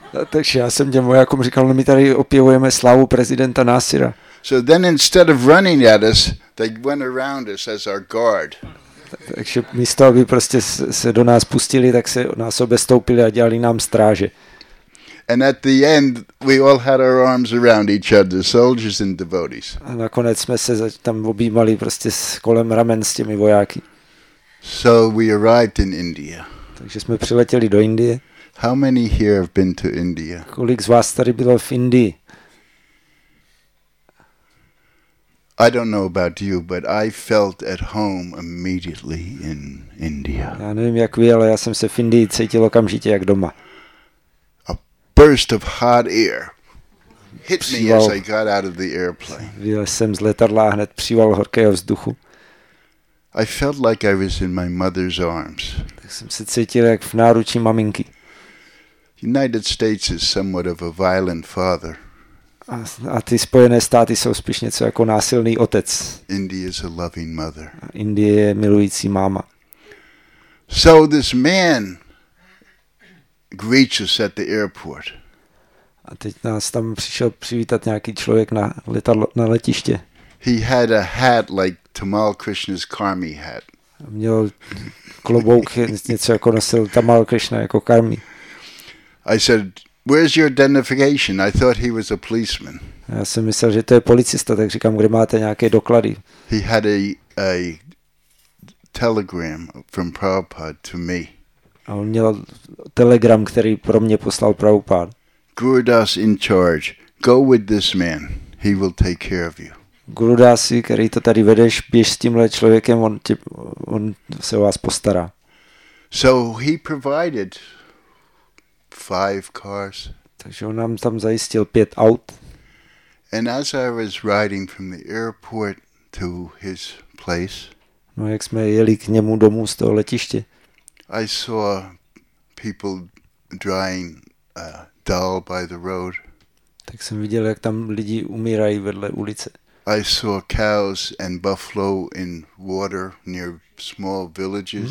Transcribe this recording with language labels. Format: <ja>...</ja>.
<cs>Takže já jsem těm vojákům říkal, my tady opěvujeme slavu prezidenta Nasira.</cs> <en>So then instead of running at us, they went around us as our guard.</en> <cs>Takže místo, aby prostě se do nás pustili, tak se nás obestoupili a dělali nám stráže.</cs> <en>And at the end, we all had our arms around each other, soldiers and devotees.</en> <cs>A nakonec jsme se tam objímali prostě kolem ramen s těmi vojáky.</cs> <en>So we arrived in India.</en> <cs>Takže jsme přiletěli do Indie.</cs> <en>How many here have been to India?</en> <cs>Kolik z vás tady bylo v Indii?</cs> <en>I don't know about you, but I felt at home immediately in India.</en> <cs>Já nevím jak vy, ale já jsem se v Indii cítil okamžitě jak doma.</cs> <en>A burst of hot air hit me as I got out of the airplane.</en> <cs>Vyjel jsem z letadla a hned příval horkého vzduchu.</cs> <en>I felt like I was in my mother's arms.</en> <cs>Tak jsem se cítil jak v náručí maminky.</cs> <en>United States is somewhat of a violent father.</en> <cs>A ty Spojené státy jsou spíš něco jako násilný otec.</cs> <en>India is a loving mother.</en> <cs>Indie je milující máma.</cs> <en>So this man greets us at the airport.</en> <cs>A teď nás tam přišel přivítat nějaký člověk na letadlo, na letiště.</cs> <en>He had a hat like Tamal Krishna's Karmi hat.</en> <cs>Měl klobouk, něco jako nosil Tamal Krishna jako Karmi.</cs> <en>I said, "Where's your identification?" I thought he was a policeman.</en> <cs>Já jsem myslel, že to je policista, tak říkám, kde máte nějaké doklady?</cs> <en>He had a telegram from Prabhupada to me.</en> <cs>A on měl telegram, který pro mě poslal Prabhupada.</cs> <en>Gurudas in charge. Go with this man. He will take care of you.</en> <cs>Gurudasi, který to tady vedeš, běž s tímhle člověkem, on se o vás postará.</cs> <en>So he provided 5 cars.</en> <cs>Takže on nám tam zajistil 5 aut.</cs> <en>And as I was riding from the airport to his place,</en> <cs>no jak jsme jeli k němu domů z toho letiště,</cs> <en>I saw people drying a dal by the road.</en> <cs>Tak jsem viděl, jak tam lidi umírají vedle ulice.</cs> <en>I saw cows and buffalo in water near small villages.</en>